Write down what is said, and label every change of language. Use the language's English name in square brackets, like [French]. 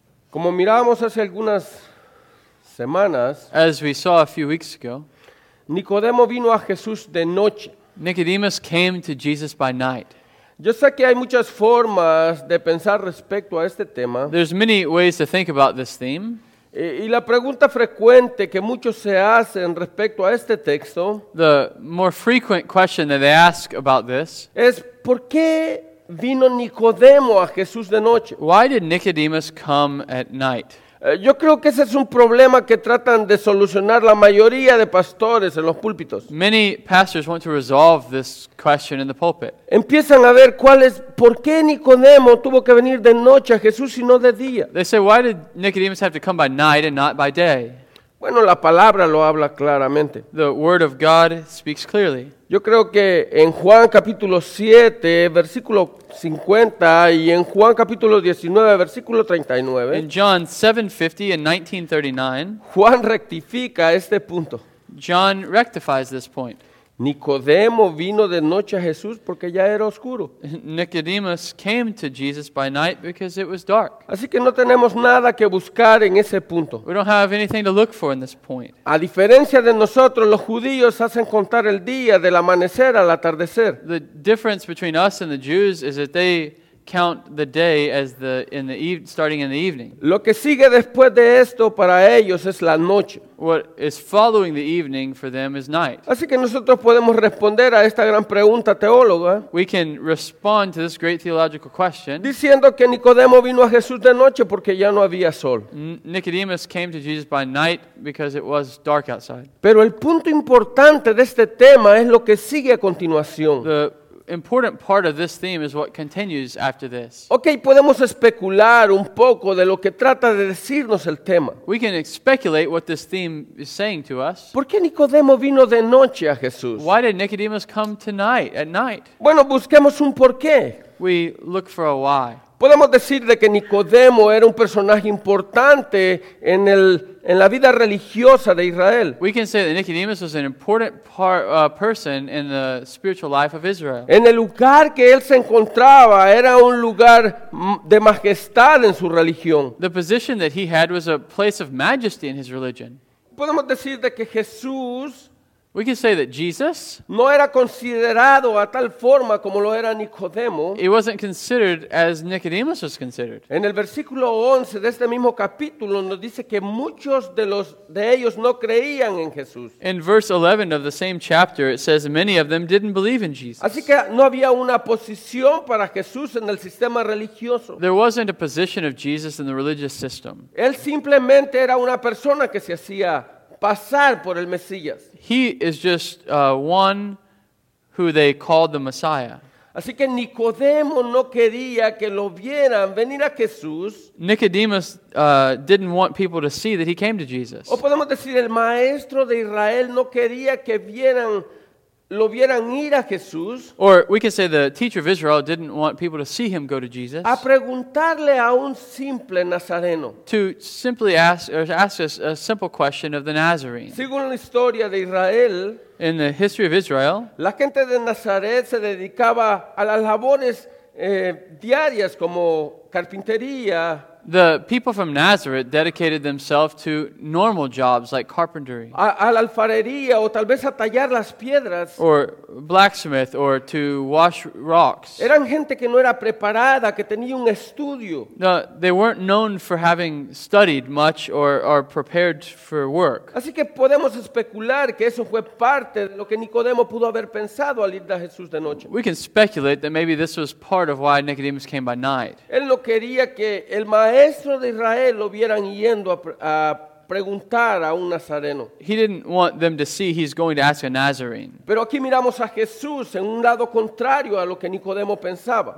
[Spanish] Como mirábamos hace algunas semanas, [English] as we saw a few weeks ago, [Spanish] Nicodemo vino a Jesús de noche. [English] Nicodemus came to Jesus by night. [Spanish] Yo sé que hay muchas formas de pensar respecto a este tema. [English] There's many ways to think about this theme. [Spanish] Y la pregunta frecuente que muchos se hacen respecto a este texto, [English] the more frequent question that they ask about this, [Spanish] es ¿por qué vino Nicodemo a Jesús de noche? [English] Why did Nicodemus come at night? [Spanish] Yo creo que ese es un problema que tratan de solucionar la mayoría de pastores en los púlpitos. [English] Many pastors want to resolve this question in the pulpit. [Spanish] Empiezan a ver cuál es, ¿por qué Nicodemo tuvo que venir de noche a Jesús y no de día? [English] They say, why did Nicodemus have to come by night and not by day? [Spanish] Bueno, la palabra lo habla claramente. [English] The word of God speaks clearly. [Spanish] Yo creo que en Juan capítulo 7, versículo 50 y en Juan capítulo 19, versículo 39. [English] In John 7:50 and 19:39. [Spanish] Juan rectifica este punto. [English] John rectifies this point. [Spanish] Nicodemo vino de noche a Jesús porque ya era oscuro. [English] Nicodemus came to Jesus by night because it was dark. [Spanish] Así que no tenemos nada que buscar en ese punto. [English] We don't have anything to look for in this point. [Spanish] A diferencia de nosotros, los judíos hacen contar el día del amanecer al atardecer. [English] The difference between us and the Jews is that they count the day as the in the eve, starting in the evening. [Spanish] Lo que sigue después de esto para ellos es la noche. [English] What is following the evening for them is night. [Spanish] Así que nosotros podemos responder a esta gran pregunta teóloga. [English] We can respond to this great theological question. [Spanish] Diciendo que Nicodemo vino a Jesús de noche porque ya no había sol. [English] Nicodemus came to Jesus by night because it was dark outside. [Spanish] Pero el punto importante de este tema es lo que sigue a continuación. [English] The important part of this theme is what continues after this. [Spanish] Okay, podemos especular un poco de lo que trata de decirnos el tema. [English] We can speculate what this theme is saying to us. [Spanish] ¿Por qué Nicodemo vino de noche a Jesús? [English] Why did Nicodemus come tonight at night? [Spanish] Bueno, busquemos un porqué. [English] We look for a why. [Spanish] Podemos decir de que Nicodemo era un personaje importante en la vida religiosa de Israel. [English] We can say that Nicodemus was an important person in the spiritual life of Israel. [Spanish] En el lugar que él se encontraba era un lugar de majestad en su religión. [English] The position that he had was a place of majesty in his religion. [Spanish] Podemos decir de que Jesús, [English] we can say that Jesus, [Spanish] no era considerado a tal forma como lo era Nicodemo. [English] He wasn't considered as Nicodemus was considered. [Spanish] En el versículo 11 de este mismo capítulo nos dice que muchos de ellos no creían en Jesús. [English] In verse 11 of the same chapter, it says many of them didn't believe in Jesus. [Spanish] Así que no había una posición para Jesús en el sistema religioso. [English] There wasn't a position of Jesus in the religious system. [Spanish] Él simplemente era una persona que se hacía pasar por el Mesías. [English] He is just one who they called the Messiah. [Spanish] Así que Nicodemo no quería que lo vieran venir a Jesús. [English] Nicodemus didn't want people to see that he came to Jesus. [Spanish] O podemos decir el maestro de Israel no quería que lo vieran ir a Jesús. [English] Or we can say the teacher of Israel didn't want people to see him go to Jesus. [Spanish] A preguntarle a un simple Nazareno. [English] To simply ask us a simple question of the Nazarene. [Spanish] Según la historia de Israel, [English] in the history of Israel, [Spanish] la gente de Nazaret se dedicaba a las labores diarias como carpintería. [English] The people from Nazareth dedicated themselves to normal jobs like carpentry. [Spanish] A la alfarería o tal vez a tallar las piedras. [English] Or blacksmith or to wash rocks. [Spanish] Eran gente que no era preparada, que tenía un estudio. [English] No, they weren't known for having studied much or prepared for work. [Spanish] Así que podemos especular que eso fue parte de lo que Nicodemo pudo haber pensado al ir a Jesús de noche. [English] We can speculate that maybe this was part of why Nicodemus came by night. [Spanish] Él no quería que el maestro de Israel lo vieran yendo a preguntar a un Nazareno. [English] He didn't want them to see he's going to ask a Nazarene. [Spanish] Pero aquí miramos a Jesús en un lado contrario a lo que Nicodemo pensaba.